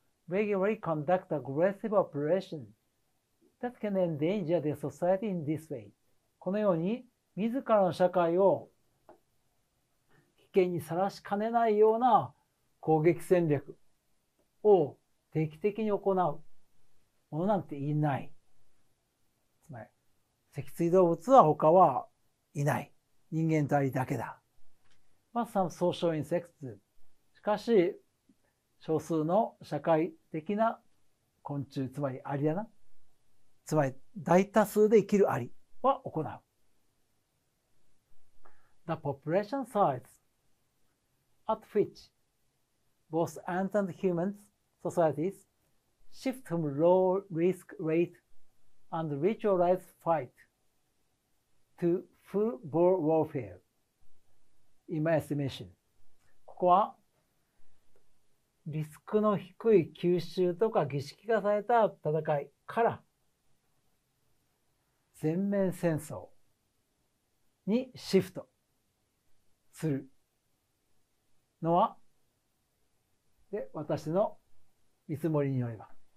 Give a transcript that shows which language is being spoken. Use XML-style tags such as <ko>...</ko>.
<en>Regularly conduct aggressive operation that can endanger their society in this way。</en> <ja>このように、自らの社会を危険にさらしかねないような攻撃戦略を定期的に行うものなんていない。つまり、脊椎動物は他はいない。人間体だけだ。まあ、</ja> <en>some social insects。</en> <ja>しかし、少数の社会的な昆虫、つまりアリだな。つまり、大多数で生きるアリは行う。</ja> <en>The population size at which both ants and humans societies shift from low risk rate and ritualized fight to full bore warfare, in my estimation.</en> <ja>ここはリスクの低い急襲とか儀式化された戦いから全面戦争にシフト。するのは、で、私の見積もりによれば。</ja>